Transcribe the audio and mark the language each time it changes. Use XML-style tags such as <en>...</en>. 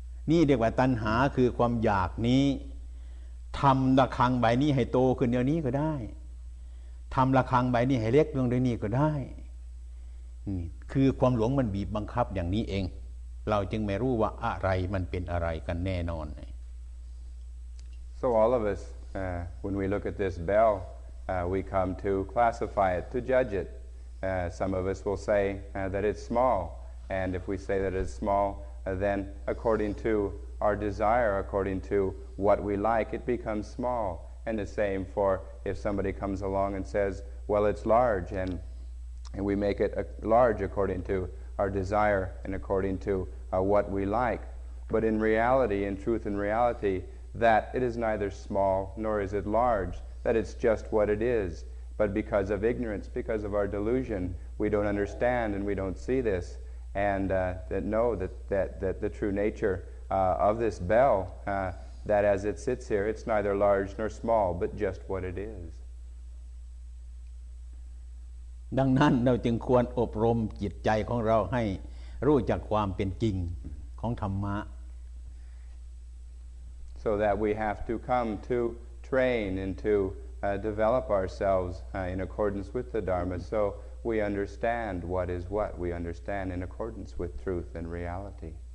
<th>นี่เรียกว่าตัณหาคือความอยากนี้ทําระฆังใบนี้ให้โตขึ้นเดี๋ยวนี้ก็ได้ทําระฆังใบนี้ให้เล็กลงเดี๋ยวนี้ก็ได้คือความหลวงมันบีบบังคับอย่างนี้เองเราจึงไม่รู้ว่าอะไรมันเป็นอะไรกันแน่นอน</th> <en>So all of us when we look at this bell we come to classify it to judge it some of us will say that it's small and if we say that it's small then according to our desire according to what we like it becomes small and the same for if somebody comes along and says well it's large and we make it large according to our desire and according to what we like. But in reality, in truth and reality, that it is neither small nor is it large, that it's just what it is. But because of ignorance, because of our delusion, we don't understand and we don't see this and that the true nature of this bell, that as it sits here, it's neither large nor small, but just what it is.</en> <th>ดังนั้นเราจึงควรอบรมจิตใจของเราให้รู้จักความเป็นจริงของธรรมะ</th> <en>so that we have to come to train and to develop ourselves in accordance with the Dharma so we understand what is what we understand in accordance with truth and reality</en>